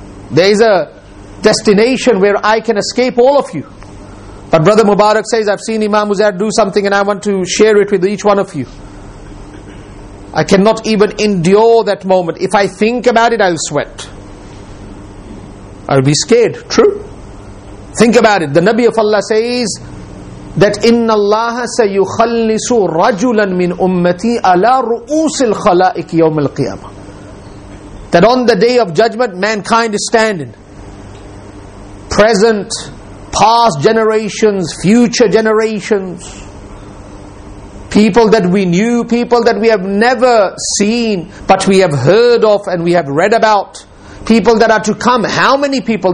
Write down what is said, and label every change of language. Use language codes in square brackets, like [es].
[en] There is a destination where I can escape all of you. But Brother Mubarak says, I've seen Imam Uzair do something and I want to share it with each one of you. I cannot even endure that moment. If I think about it, I'll sweat. I'll be scared. True. Think about it. The Nabi of Allah says that [ar] إِنَّ اللَّهَ سَيُخَلِّصُ رَجُلًا مِّنْ أُمَّتِي عَلَى رُؤُوسِ الْخَلَائِكِ يَوْمِ الْقِيَامَةِ. [en] That on the day of judgment, mankind is standing. Present, past generations, future generations, people that we knew, people that we have never seen, but we have heard of and we have read about, people that are to come. How many people?